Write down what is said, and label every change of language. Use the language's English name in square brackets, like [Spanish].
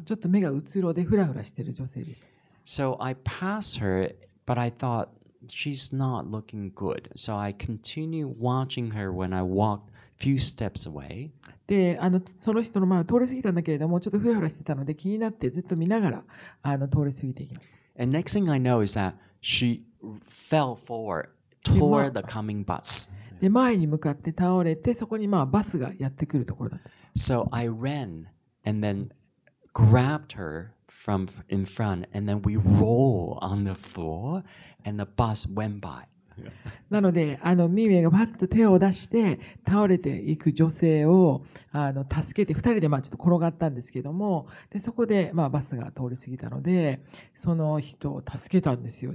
[Japanese] ちょっと目がうつろでフラフラしてる女性でした。 [English] So I passed her, but I thought she's not looking good. So I continue watching her when I walked few steps away. [Japanese] で、その人の前を通り過ぎたんだけれども、ちょっとフラフラしてたので気になってずっと見ながら通り過ぎていきました。 [English] And next thing I know is that she fell forward toward the coming bus. [Japanese] で、前に向かって倒れて、そこにまあバスがやってくるところだった。 [English] So I ran and then grabbed her. From in front, and then we roll on the floor, and the bus went by. Yeah. [Japanese] なので、ミミエがバッと手を出して倒れていく女性を助けて二人でまあちょっと転がったんですけども、でそこでまあバスが通り過ぎたので、その人を助けたんですよ。